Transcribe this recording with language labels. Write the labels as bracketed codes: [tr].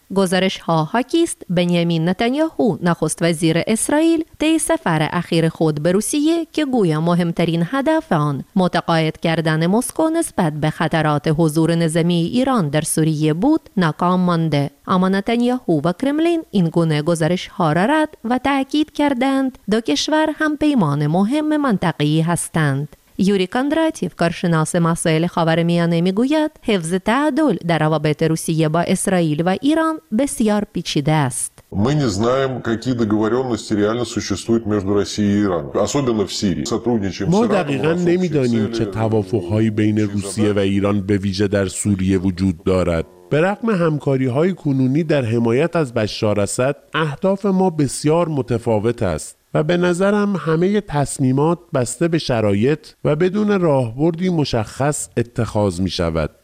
[fa] گزارش ها هاکیست بنیامین نتانیاهو نخست وزیر اسرائیل طی سفر اخیر خود به روسیه که گویا مهمترین هدف آن متقاعد کردن مسکو نسبت به خطرات حضور نظامی ایران در سوریه بود ناکام مانده، اما نتانیاهو و کرملین این گونه گزارش ها را رد و تاکید کردند دو کشور هم پیمان مهم منطقی هستند. یوری کاندراتیف، کارشناس مسائل خاورمیانه، میگوید حفظ تعادل در روابط روسیه با اسرائیل و ایران بسیار پیچیده است. [ru] Мы не знаем, какие договоренности реально существуют между Россией и Ираном, особенно в Сирии. Сотрудничаем с Ираном. Мы [fa] دقیقاً نمی‌دانیم چه توافق‌هایی بین روسیه و ایران به ویژه در سوریه وجود دارد. به رغم همکاری‌های کنونی در حمایت از بشار اسد، اهداف ما بسیار متفاوت است. و به نظرم همه تصمیمات بسته به شرایط و بدون راهبردی مشخص اتخاذ می شود.